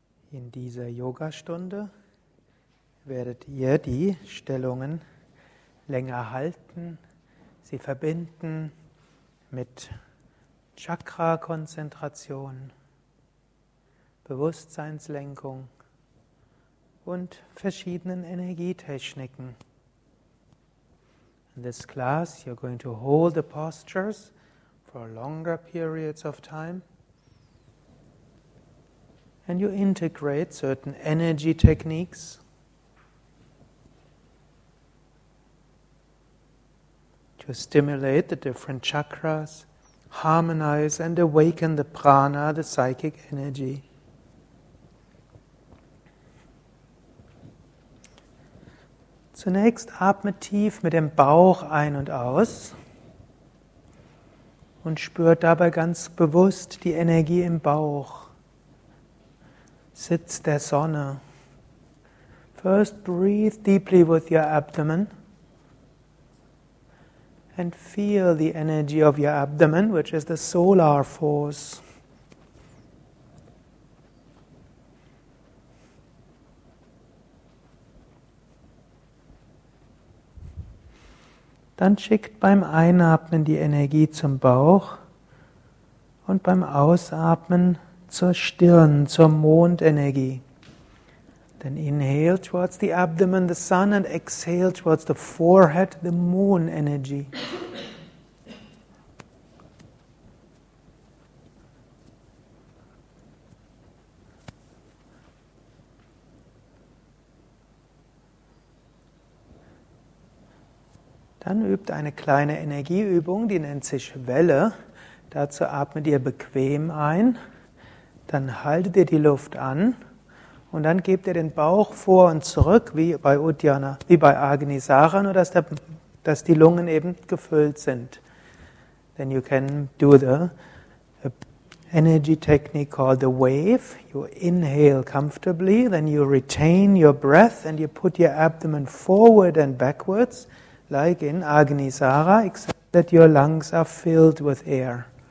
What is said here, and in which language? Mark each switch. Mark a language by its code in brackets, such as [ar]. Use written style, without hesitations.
[de] In dieser Yogastunde werdet ihr die Stellungen länger halten, sie verbinden mit Chakra-Konzentration, Bewusstseinslenkung und verschiedenen Energietechniken. [en] In this class, you're going to hold the postures for longer periods of time. And you integrate certain energy techniques. To stimulate the different chakras, harmonize and awaken the prana, the psychic energy. [de] Zunächst atme tief mit dem Bauch ein und aus und spürt dabei ganz bewusst die Energie im Bauch. Sitz der Sonne. [en] First breathe deeply with your abdomen and feel the energy of your abdomen, which is the solar force. [de] Dann schickt beim Einatmen die Energie zum Bauch und beim Ausatmen zur Stirn, zur Mondenergie. [en] Then inhale towards the abdomen, the sun, and exhale towards the forehead, the moon energy. [de] Dann übt eine kleine Energieübung, die nennt sich Welle. Dazu atmet ihr bequem ein. Dann haltet ihr die Luft an und dann gebt ihr den Bauch vor und zurück, wie bei Uddiyana, wie bei Agnisara, nur dass die Lungen eben gefüllt sind. [en] Then you can do the energy technique called the wave. You inhale comfortably, then you retain your breath and you put your abdomen forward and backwards, like in Agnisara, except that your lungs are filled with air.